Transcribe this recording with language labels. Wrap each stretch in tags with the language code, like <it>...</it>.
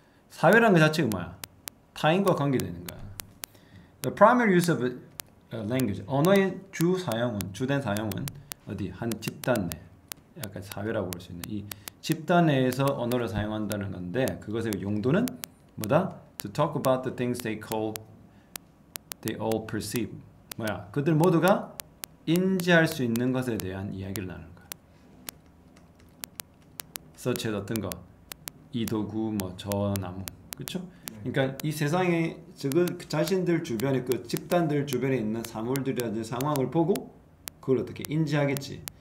<ko>사회라는 것 자체가 뭐야? 타인과 관계되는 거야.</ko> <en>The primary use of language.</en> <ko>언어의 주된 사용은 어디? 한 집단 내. 약간 사회라고 볼 수 있는 이 집단 내에서 언어를 사용한다는 건데 그것의 용도는 뭐다?</ko> <en>To talk about the things they all perceive.</en> <ko>뭐야? 그들 모두가 인지할 수 있는 것에 대한 이야기를 나누는 거야.</ko> <en>Such as</en> <ko>어떤 거? 이 도구, 뭐 저 나무. 그렇죠? 그러니까 이 세상에 자신들 주변에 그 집단들 주변에 있는 사물들이라든지 상황을 보고 그걸 어떻게 인지하겠지.</ko>